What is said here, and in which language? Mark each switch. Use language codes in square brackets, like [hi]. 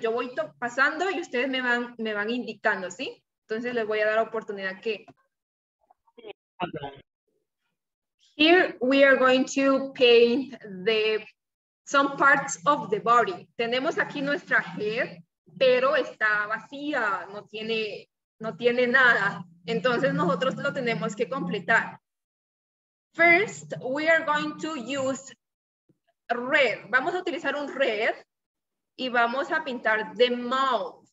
[es] Yo voy pasando y ustedes me van indicando, ¿sí? Entonces les voy a dar oportunidad que... [en] Here we are going to paint the some parts of the body. [es] Tenemos aquí nuestra head, pero está vacía, no tiene nada. Entonces nosotros lo tenemos que completar. [en] First, we are going to use red. [es] Vamos a utilizar un red y vamos a pintar [en] the mouth.